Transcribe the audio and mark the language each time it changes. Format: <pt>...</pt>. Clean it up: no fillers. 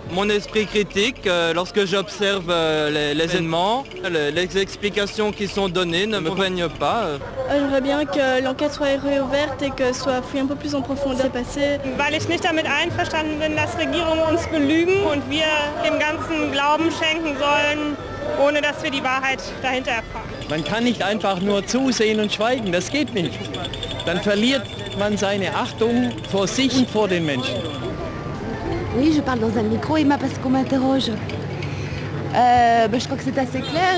<fr>Mon esprit critique, lorsque j'observe les événements, les explications qui sont données ne me convaincent pas. J'aimerais bien que l'enquête soit réouverte et que soit fouillée un peu plus en profondeur. C'est passé.</fr> <de>Weil ich nicht damit einverstanden bin, dass Regierungen uns belügen und wir dem ganzen Glauben schenken sollen, ohne dass wir die Wahrheit dahinter erfahren. Man kann nicht einfach nur zusehen und schweigen, das geht nicht. Dann verliert man seine Achtung vor sich und vor den Menschen.</de> <fr>Oui, je parle dans un micro, Emma, parce qu'on m'interroge. Je crois que c'est assez clair.</fr>